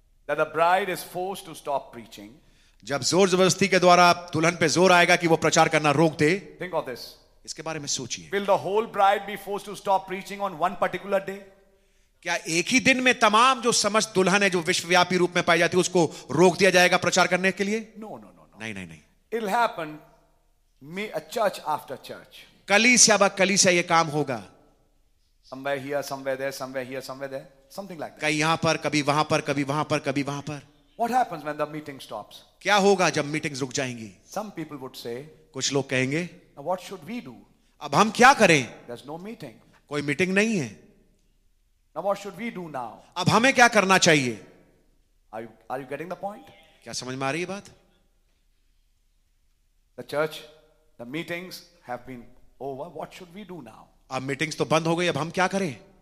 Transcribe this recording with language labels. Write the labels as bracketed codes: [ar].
[en] that the bride is forced to stop preaching. [hi] जब जोर जबरदस्ती के द्वारा दुल्हन पे जोर आएगा कि वो प्रचार करना रोक दे. [en] Think of this. [hi] इसके बारे में सोचिए. [en] Will the whole bride be forced to stop preaching on one particular day? [hi] क्या एक ही दिन में तमाम जो समस्त दुल्हन है जो विश्वव्यापी रूप में पाई जाती है उसको रोक दिया जाएगा प्रचार करने के लिए? [en] No. [hi] नहीं नहीं नहीं. [en] It'll happen me a church after church. [hi] कलीसिया बा कलीसिया ये काम होगा. [en] Somewhere here, somewhere there, somewhere here, somewhere there, something like that. [hi] कहीं यहाँ पर, कभी वहाँ पर, कभी वहाँ पर, कभी वहाँ पर. [en] What happens when the meeting stops? [hi] क्या होगा जब मीटिंग रुक जाएंगी? [en] Some people would say. [hi] कुछ लोग कहेंगे. [en] Now what should we do? [hi] अब हम क्या करें? [en] There's no meeting. [hi] कोई मीटिंग नहीं है. [en] Now what should we do now? [hi] अब हमें क्या करना चाहिए? [en] Are you getting the point? [hi] क्या समझ में आ रही है बात? [en] The church, the meetings have been over. What should we do now? [hi] अब मीटिंग्स तो बंद हो गई, अब हम क्या करें?